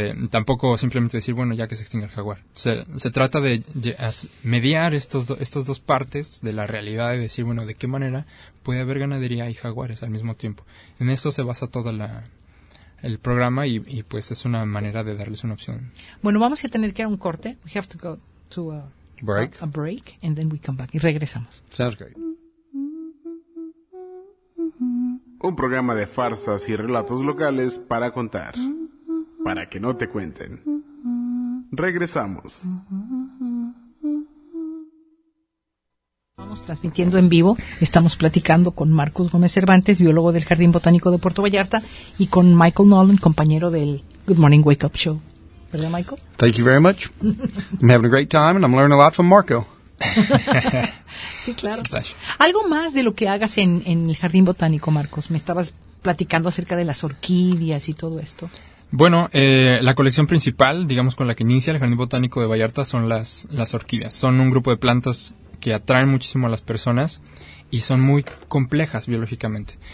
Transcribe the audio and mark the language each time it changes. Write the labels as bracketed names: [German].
[Spanish] Tampoco simplemente decir, bueno, ya que se extinga el jaguar. Se trata de mediar estas dos partes de la realidad y decir, bueno, ¿de qué manera puede haber ganadería y jaguares al mismo tiempo? En eso se basa toda la... el programa y pues es una manera de darles una opción. Bueno, vamos a tener que ir a un corte. [English] We have to go to a break and then we come back. [Spanish] Y regresamos. [English] Sounds great. [Spanish] Un programa de farsas y relatos locales para contar. Para que no te cuenten. Regresamos. Estamos transmitiendo en vivo, estamos platicando con Marcus Gómez Cervantes, biólogo del Jardín Botánico de Puerto Vallarta, y con Michael Nolan, compañero del Good Morning Wake Up Show. ¿Verdad, Michael? [English] Thank you very much. I'm having a great time and I'm learning a lot from Marco. Sí, claro. [Spanish] It's a pleasure. Algo más de lo que hagas en el Jardín Botánico, Marcos. Me estabas platicando acerca de las orquídeas y todo esto. Bueno, la colección principal, digamos con la que inicia el Jardín Botánico de Vallarta, son las orquídeas. Son un grupo de plantas que atraen muchísimo a las personas y son muy complejas biológicamente.